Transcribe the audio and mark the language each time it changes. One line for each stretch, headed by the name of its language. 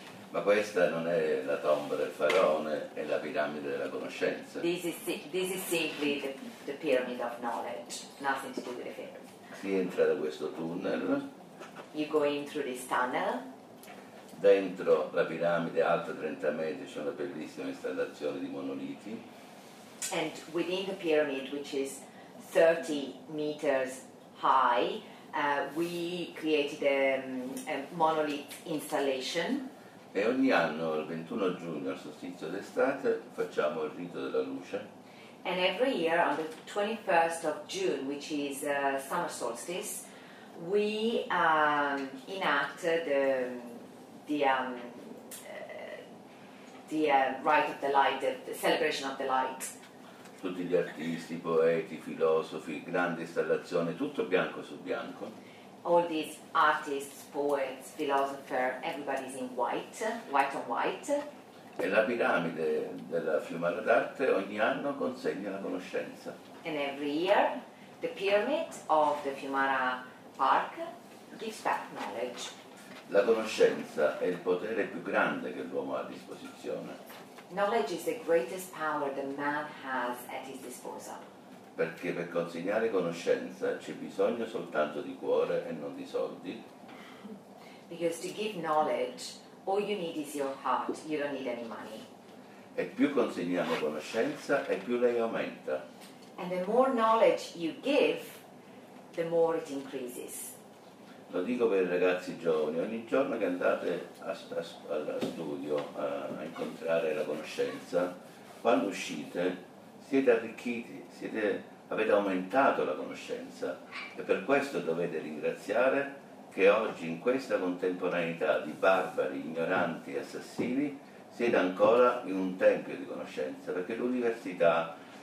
Italian: Ma questa non è la tomba del faraone, è la piramide della conoscenza.
English: This is simply the pyramid of knowledge, nothing to do with the pharaoh.
Italian: Si entra da questo tunnel.
English: You go in through this tunnel.
Italian: Dentro la piramide, alta 30 metri, c'è una bellissima installazione di monoliti.
English: And within the pyramid, which is 30 meters high, we created a monolith installation.
Italian: E ogni anno, il 21 giugno, al solstizio d'estate, facciamo il rito della luce.
English: And every year, on the 21st of June, which is summer solstice, we enact the rite of the light, the celebration of the light.
Italian: Tutti gli artisti, poeti, filosofi, grande installazione, tutto bianco su bianco.
English: All these artists, poets, philosophers, everybody's in white, white on white.
Italian: E la piramide della Fiumara d'Arte ogni anno consegna la conoscenza.
English: And every year, the pyramid of the Fiumara Park gives back knowledge.
Italian: La conoscenza è il potere più grande che l'uomo ha a disposizione.
English: Knowledge is the greatest power that man has at his disposal.
Italian: Perché per consegnare conoscenza c'è bisogno soltanto di cuore e non di soldi.
English: Because to give knowledge, all you need is your heart, you don't need any money.
Italian: E più consegniamo conoscenza, e più lei aumenta.
English: And the more knowledge you give, the more it increases.
Italian: Lo dico per i ragazzi giovani, ogni giorno che andate a studio, a incontrare la conoscenza, quando uscite siete arricchiti, avete aumentato la conoscenza, e per questo dovete ringraziare che oggi, in questa contemporaneità di barbari, ignoranti e assassini, siete ancora in un tempio di conoscenza, perché l'università,